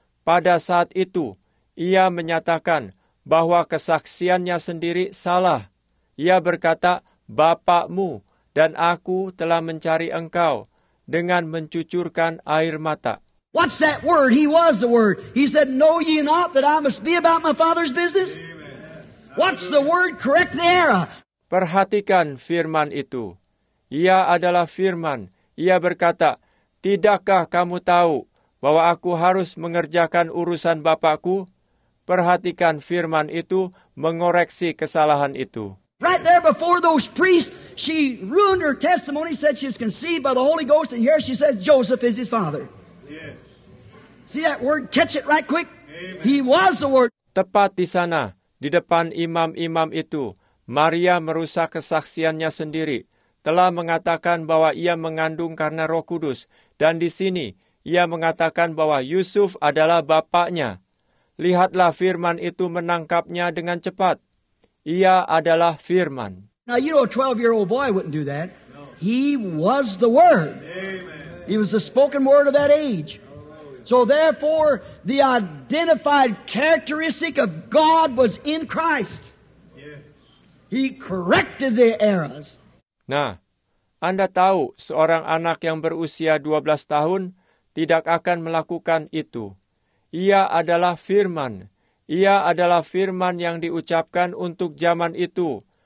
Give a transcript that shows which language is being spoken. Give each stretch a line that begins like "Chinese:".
Indonesian: Pada saat itu, ia menyatakan bahwa kesaksiannya sendiri salah. Ia berkata, "Bapakmu dan aku telah mencari engkau dengan mencucurkan air mata."
English: What's that word? He was the word. He said, "Know ye not that I must be about my father's business?" What's the word? Correct the era.
Indonesian: Perhatikan firman itu. Ia adalah firman. Ia berkata, "Tidakkah kamu tahu bahwa aku harus mengerjakan urusan bapakku?" Perhatikan firman itu mengoreksi kesalahan itu.
English: Right there before those priests, she ruined her testimony, said she was conceived by the Holy Ghost, and here she says Joseph is his father. Yes. See that word? Catch it right quick. Amen. He was the word.
Indonesian: Tepat di sana, di depan imam-imam itu, Maria merusak kesaksiannya sendiri, telah mengatakan bahwa ia mengandung karena Roh Kudus, dan di sini, ia mengatakan bahwa Yusuf adalah bapaknya. Lihatlah firman itu menangkapnya dengan cepat. Ia adalah firman.
English: Now you know a 12-year-old boy wouldn't do that. No. He was the Word. Amen. He was the spoken Word of that age. So therefore, the identified characteristic of God was in Christ. Yes. He corrected the errors.
Indonesian: Nah, Anda tahu seorang anak yang berusia 12 tahun tidak akan melakukan itu. Ia adalah firman. Ia adalah firman yang diucapkan untuk zaman itu.